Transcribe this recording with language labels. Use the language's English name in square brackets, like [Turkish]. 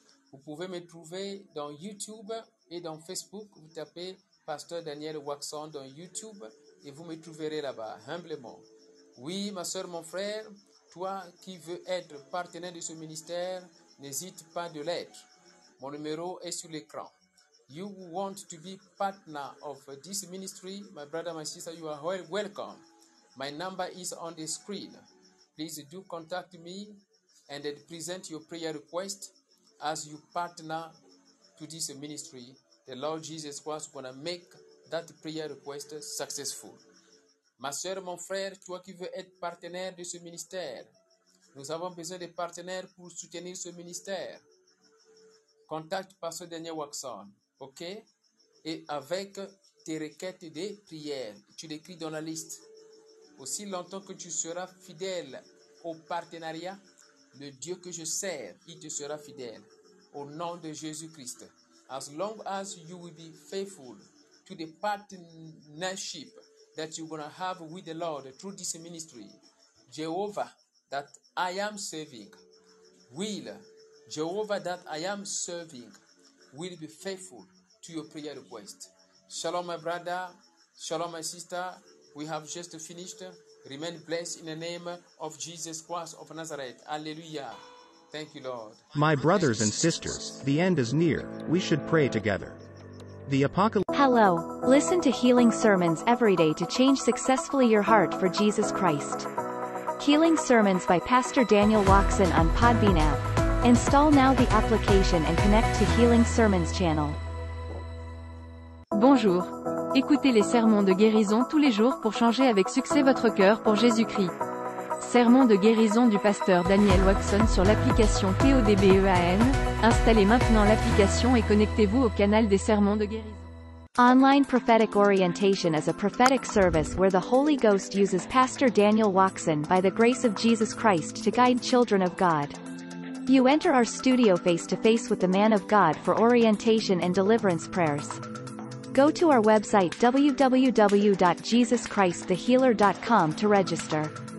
[French] Vous pouvez me trouver dans YouTube et dans Facebook. Vous tapez Pasteur Daniel Waxon dans YouTube et vous me trouverez là-bas, humblement. Oui, ma soeur, mon frère, toi qui veux être partenaire de ce ministère, n'hésite pas de l'être. Mon numéro est sur l'écran. [English] You want to be partner of this ministry, my brother, my sister, you are welcome. My number is on the screen. Please do contact me and present your prayer request as you partner to this ministry. The Lord Jesus Christ is going to make that prayer request successful. [French] Ma soeur, mon frère, toi qui veux être partenaire de ce ministère, nous avons besoin de partenaires pour soutenir ce ministère. Contacte Pasteur Daniel Waxon, ok? Et avec tes requêtes de prière, tu l'écris dans la liste. Aussi longtemps que tu seras fidèle au partenariat, le Dieu que je sers, il te sera fidèle. Au nom de Jésus-Christ. [English] As long as you will be faithful to the partnership that you're going to have with the Lord through this ministry, Jehovah that I am serving will, Jehovah that I am serving will be faithful to your prayer request. Shalom, my brother. Shalom, my sister. We have just finished. Remain blessed in the name of Jesus Christ of Nazareth. Alleluia. Thank you, Lord. My brothers and sisters, the end is near. We should pray together. The apocalypse. Hello. Listen to healing sermons every day to change successfully your heart for Jesus Christ. Healing sermons by Pastor Daniel Waxon on Podbean app. Install now the application and connect to Healing Sermons channel. [French] Bonjour. Écoutez les sermons de guérison tous les jours pour changer avec succès votre cœur pour Jésus-Christ. Sermon de guérison du pasteur Daniel Waxon sur l'application TODBEAN. Installez maintenant l'application et connectez-vous au canal des sermons de guérison. [English] Online prophetic orientation is a prophetic service where the Holy Ghost uses Pastor Daniel Waxon by the grace of Jesus Christ to guide children of God. You enter our studio face to face with the man of God for orientation and deliverance prayers. Go to our website www.jesuschristthehealer.com to register.